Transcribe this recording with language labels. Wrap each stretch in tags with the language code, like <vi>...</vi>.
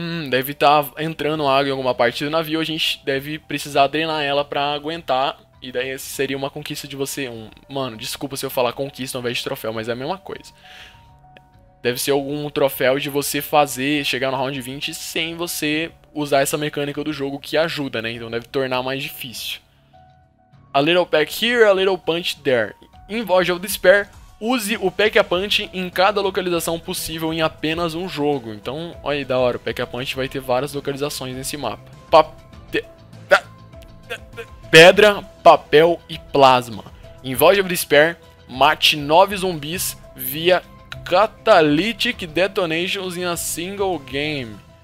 <pt>Deve estar entrando água em alguma parte do navio, a gente deve precisar drenar ela pra aguentar. E daí seria uma conquista de você. Mano, desculpa se eu falar conquista ao invés de troféu, mas é a mesma coisa. Deve ser algum troféu de você fazer, chegar no round 20 sem você usar essa mecânica do jogo que ajuda, né? Então deve tornar mais difícil.</pt> <en>A little pack here, a little punch there.</en> <pt>Em Voyage of Despair, use o pack a punch em cada localização possível em apenas um jogo. Então, olha aí, da hora. O pack a punch vai ter várias localizações nesse mapa. Pedra, papel e plasma. Em Voyage of Despair, mate 9 zumbis via Catalytic Detonations</pt> <en>in a single game.</en>